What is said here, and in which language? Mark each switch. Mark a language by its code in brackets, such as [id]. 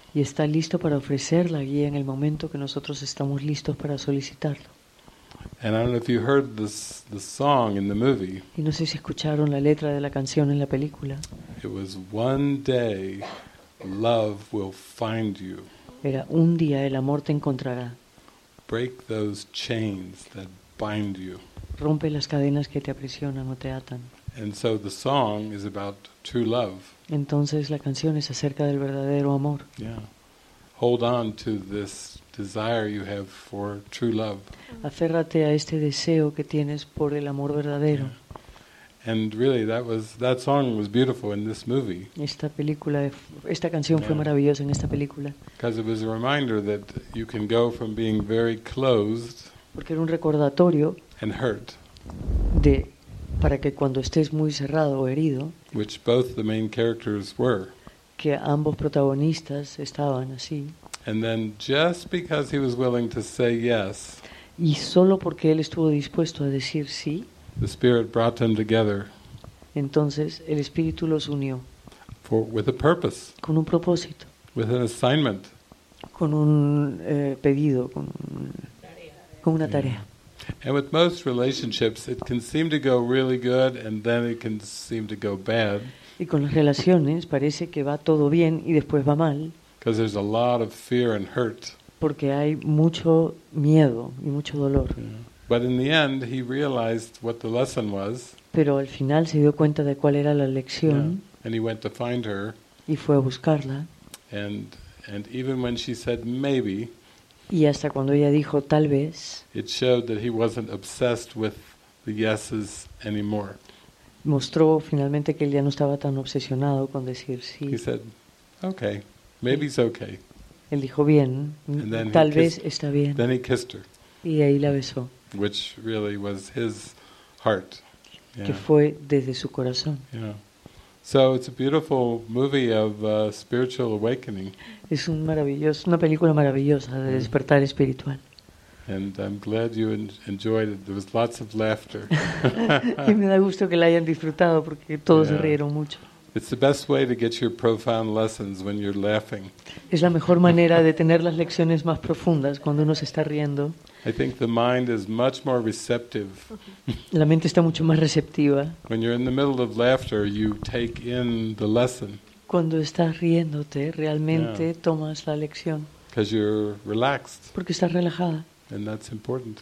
[es] Y está listo para ofrecer la guía en el momento que nosotros estamos listos para solicitarlo. [en] And I don't know if you heard the song in the movie. [es] Y no sé si escucharon la letra de la canción en la película. [en] It was "One day love will find you." [es] Era un día el amor te encontrará. [en] "Break those chains that bind you." [es] Rompe las cadenas que te aprisionan o te atan. [en] And so the song is about true love. [es] Entonces la canción es acerca del verdadero amor. Yeah. [en] Hold on to this desire you have for true love. [es] Aférrate a este deseo que tienes por el amor verdadero. [en] And really, that song was beautiful in this movie. [es] Esta película, esta canción fue maravillosa en esta película. [en] Because it was a reminder that you can go from being very closed. [es] Porque era un recordatorio. [en] And hurt. [es] De para que cuando estés muy cerrado o herido. [en] Which both the main characters were. [es] Que ambos protagonistas estaban así. [en] And then just because he was willing to say yes. [es] Y solo porque él estuvo dispuesto a decir sí. [en] The Spirit brought them together. [es] Entonces el Espíritu los unió. [en] For with a purpose. [es] Con un propósito. [en] With an assignment. [es] Con un pedido, con una tarea. [en] And with most relationships, it can seem to go really good, and then it can seem to go bad. [es] Y con las relaciones parece que va todo bien y después va mal. [en] Because there's a lot of fear and hurt. [es] Porque hay mucho miedo y mucho dolor. [en] But in the end, he realized what the lesson was. [es] Pero al final se dio cuenta de cuál era la lección. Yeah. [en] And he went to find her. [es] Y fue a buscarla. [en] And even when she said maybe. [es] Y hasta cuando ella dijo tal vez. [en] It showed that he wasn't obsessed with the yeses anymore. [es] Mostró finalmente que él ya no estaba tan obsesionado con decir sí. [en] He said, okay, maybe it's okay. [es] Él dijo bien, tal vez está bien. [en] Then he kissed her. [es] Y ahí la besó. [en] Which really was his heart. [es] Yeah. Que fue desde su corazón. Yeah. [en] So it's a beautiful movie of spiritual awakening. [es] Es un maravilloso, una película maravillosa de despertar espiritual. [en] And I'm glad you enjoyed it. There was lots of laughter. [es] Y me da gusto que la hayan disfrutado porque todos se rieron mucho. [en] It's the best way to get your profound lessons when you're laughing. [es] Es la mejor manera de tener las lecciones más profundas cuando uno se está riendo. [en] I think the mind is much more receptive. [es] La mente está mucho más receptiva. [en] When you're in the middle of laughter, you take in the lesson. [es] Cuando estás riéndote, realmente tomas la lección. [en] Because you're relaxed. [es] Porque estás relajada. [en] And that's important.